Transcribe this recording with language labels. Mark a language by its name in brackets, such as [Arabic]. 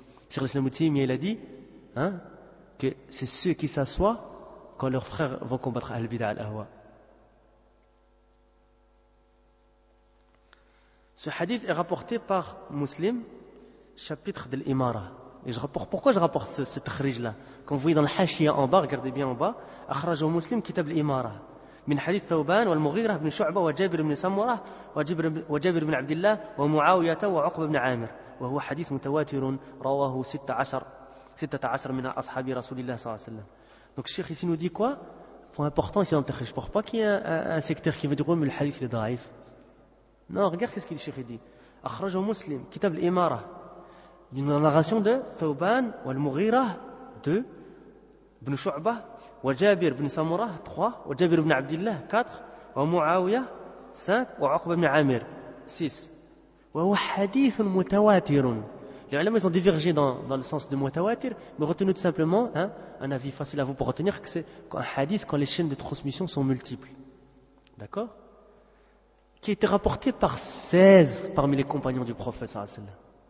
[French] Cheikh l'Islam Outim, il a dit, hein, que c'est ceux qui s'assoient quand leurs frères vont combattre Al-Bida' al-Ahwa. Ce hadith est rapporté par Muslim, chapitre de l'Imara. Et je rapporte, pourquoi je rapporte ce tahrij-là? Quand vous voyez dans le hashiya en bas, regardez bien en bas, akhraj au Muslim, kitab l'Imara. [Arabic] من حديث ثوبان والمغيرة بن شعبة وجابر بن سمرة وجابر بن عبد الله ومعاوية وعقبة بن عامر وهو حديث متواتر رواه 16 من أصحاب رسول الله صلى الله عليه وسلم. [French] Donc Cheikh ici nous dit quoi? Point important ici dans le texte. Je ne crois pas qu'il y ait un secteur qui veut dire mais le hadith est daïf. Non, regarde ce qu'il dit Cheikh dit. [Arabic] أخرج مسلم كتاب الإمارة [French] d'une narration de [Arabic] ثوبان والمغيرة de بن شعبة وجابر بن سمرة 3 وجابر بن عبد الله 4 ومعاوية 5 وعقبة بن عامر 6 وهو حديث متواتر. [French] Les ulama ils ont divergé dans le sens de mutawatir, mais retenez tout simplement, hein, un avis facile à vous pour retenir, que c'est un hadith quand les chaînes de transmission sont multiples, d'accord, qui a été rapporté par 16 parmi les compagnons du prophète sallallahu alayhi wa sallam.